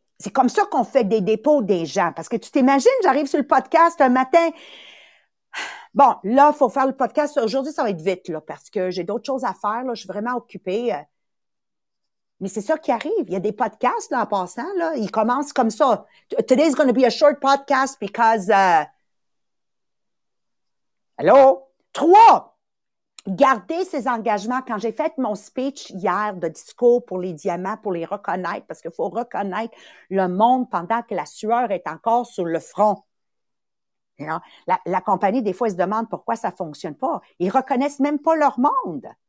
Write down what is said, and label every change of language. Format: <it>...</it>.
<fr>C'est comme ça qu'on fait des dépôts des gens. Parce que tu t'imagines, j'arrive sur le podcast un matin. Bon, là, il faut faire le podcast. Aujourd'hui, ça va être vite, là, parce que j'ai d'autres choses à faire, là. Je suis vraiment occupée. Mais c'est ça qui arrive. Il y a des podcasts, là, en passant, là. Ils commencent comme ça.</fr> <en>Today's gonna be a short podcast because, Hello?</en> <fr>Trois! Garder ses engagements. Quand j'ai fait mon speech hier de discours pour les diamants, pour les reconnaître, parce qu'il faut reconnaître le monde pendant que la sueur est encore sur le front.</fr> <en>You know?</en> <fr>La compagnie, des fois, elle se demande pourquoi ça fonctionne pas. Ils reconnaissent même pas leur monde.</fr>